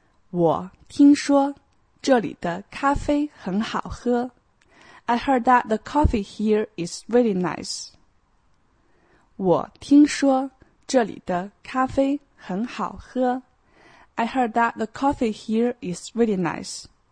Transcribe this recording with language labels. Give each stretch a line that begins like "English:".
Chinese: 我听说这里的咖啡很好喝。
English: I heard that the coffee here is really nice.
Chinese: 我听说这里的咖啡很好喝。
English: I heard that the coffee here is really nice.